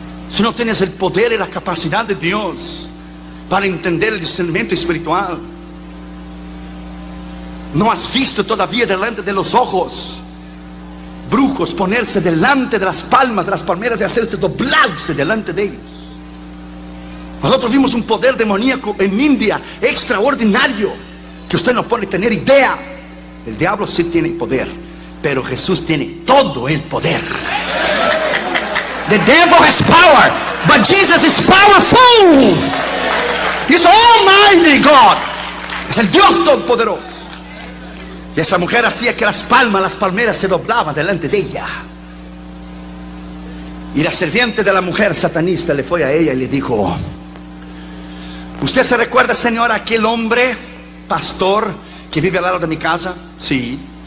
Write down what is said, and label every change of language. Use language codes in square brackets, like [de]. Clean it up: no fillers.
[es] Si no tienes el poder y la capacidad de Dios para entender el discernimiento espiritual, no has visto todavía delante de los ojos brujos ponerse delante de las palmas, de las palmeras, y hacerse doblarse delante de ellos. Nosotros vimos un poder demoníaco en India extraordinario que usted no puede tener idea. El diablo sí tiene poder, pero Jesús tiene todo el poder. [en] The devil has power, but Jesus is powerful. He's almighty God. [es] Es el Dios todopoderoso. Y esa mujer hacía que las palmeras se doblaban delante de ella. Y la serviente de la mujer satanista le fue a ella y le dijo: ¿usted se recuerda, señora, aquel hombre pastor que vive al lado de mi casa? Sí.